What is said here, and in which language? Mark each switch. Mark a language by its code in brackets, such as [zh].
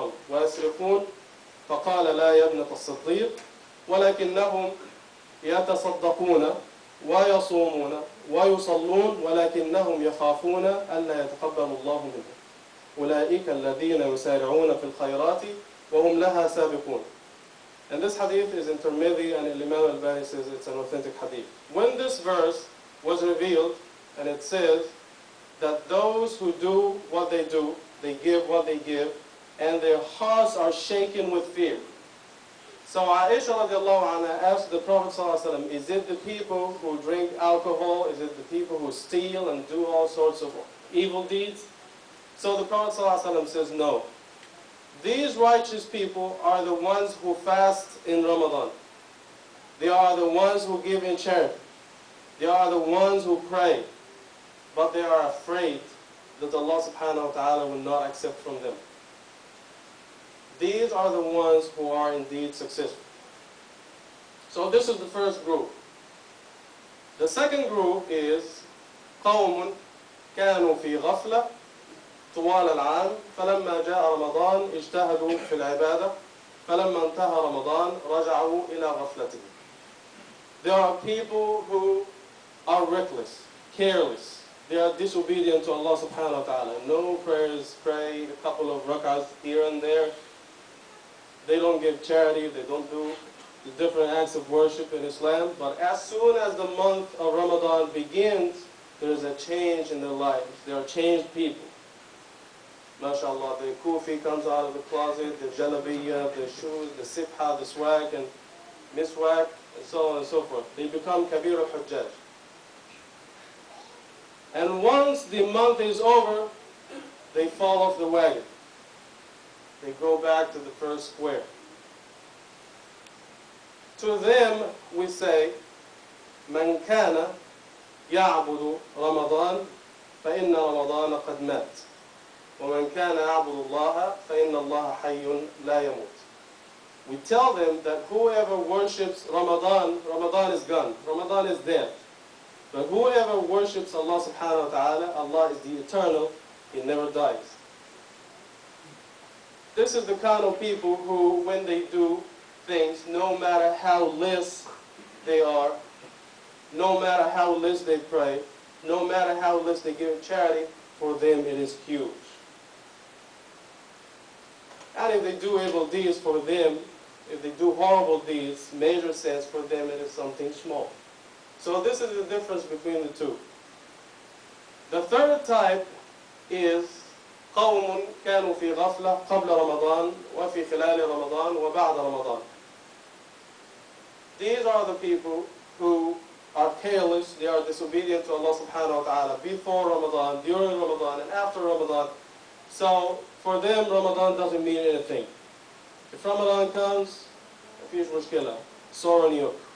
[ar] ويسرقون فقال لا يا ابنة الصديق ولكنهم يتصدقون ويصومون ويصلون ولكنهم يخافون ألا يتقبل الله منهم أولئك الذين يسارعون في الخيرات وهم لها سابقون. [en] And this hadith is in Tirmidhi, and Imam al-Bani says it's an authentic hadith. When this verse was revealed, and it says that those who do, they give what they give, and their hearts are shaken with fear. So Aisha radiallahu anha asked the Prophet sallallahu alaihi wasallam, is it the people who drink alcohol? Is it the people who steal and do all sorts of evil deeds? So the Prophet sallallahu alaihi wasallam says, no. These righteous people are the ones who fast in Ramadan. They are the ones who give in charity. They are the ones who pray. But they are afraid that Allah subhanahu wa ta'ala will not accept from them. These are the ones who are indeed successful. So this is the first group. The second group is [ar] قَوْمٌ كَانُوا فِي غَفْلَةٍ طوال العام فلما جاء رمضان اجتهدوا في العبادة فلما انتهى رمضان رجعوا إلى غفلته. [en] There are people who are reckless, careless. They are disobedient to Allah subhanahu wa ta'ala. No prayers, pray a couple of rak'ahs here and there. They don't give charity, they don't do the different acts of worship in Islam. But as soon as the month of Ramadan begins, there is a change in their lives. They are changed people. MashaAllah, the kufi comes out of the closet, the jalabiya, the shoes, the sibha, the swag, and miswag, and so on and so forth. They become kabir al-hujjaj. And once the month is over, they fall off the wagon. They go back to the first square. To them, we say, [ar] مَنْ كَانَ يَعْبُدُ رَمَضَانَ فَإِنَّ رَمَضَانَ قَدْ مَاتْ وَمَنْ كَانَ يَعْبُدُ اللَّهَ فَإِنَّ اللَّهَ حَيٌّ لَا يَمُوتُ. [en] We tell them that whoever worships Ramadan, Ramadan is gone, Ramadan is dead. But whoever worships Allah subhanahu wa ta'ala, Allah is the eternal, He never dies. This is the kind of people who, when they do things, no matter how less they are, no matter how less they pray, no matter how less they give charity, for them it is huge. And if they do evil deeds for them, if they do horrible deeds, major sins for them, it is something small. So this is the difference between the two. The third type is [ar] قَوْمٌ كَانُوا فِي غَفْلَةٍ قَبْلَ رَمَضَانٍ وَفِي خِلَالِ رَمَضَانٍ وَبَعْدَ رَمَضَانٍ. [en] These are the people who are careless, they are disobedient to Allah subhanahu wa ta'ala before Ramadan, during Ramadan, and after Ramadan. So for them, Ramadan doesn't mean anything. If Ramadan comes, a huge mushkila, sore on you.